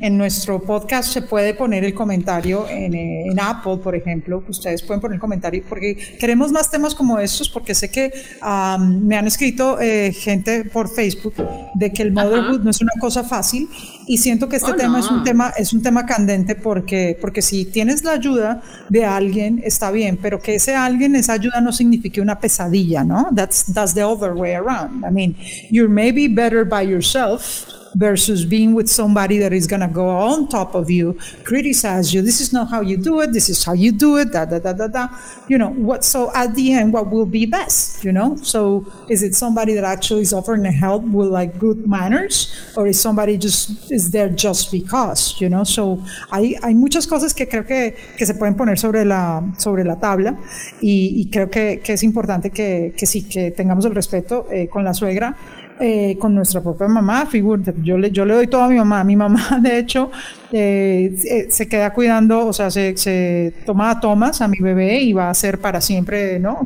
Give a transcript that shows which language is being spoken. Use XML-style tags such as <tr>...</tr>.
<es>En nuestro podcast se puede poner el comentario en Apple, por ejemplo, ustedes pueden poner el comentario, porque queremos más temas como estos, porque sé que me han escrito gente por Facebook de que el motherhood no es una cosa fácil, y siento que este tema es un tema candente, porque si tienes la ayuda de alguien, está bien, pero que ese alguien, esa ayuda no signifique una pesadilla.</es> <en>No, that's the other way around. I mean, you're maybe better by yourself versus being with somebody that is gonna go on top of you, criticize you. This is not how you do it. This is how you do it. Da da da da da. You know what? So at the end, what will be best? You know. So is it somebody that actually is offering help with like good manners, or is somebody just is there just because? You know.</en> <es>So hay muchas cosas que creo que se pueden poner sobre la tabla, y creo que es importante que sí que tengamos el respeto con la suegra. Con nuestra propia mamá, figúrate, yo le doy todo a mi mamá. Mi mamá, de hecho, se queda cuidando, o sea, se toma a Thomas, a mi bebé, y va a ser para siempre, ¿no?</es>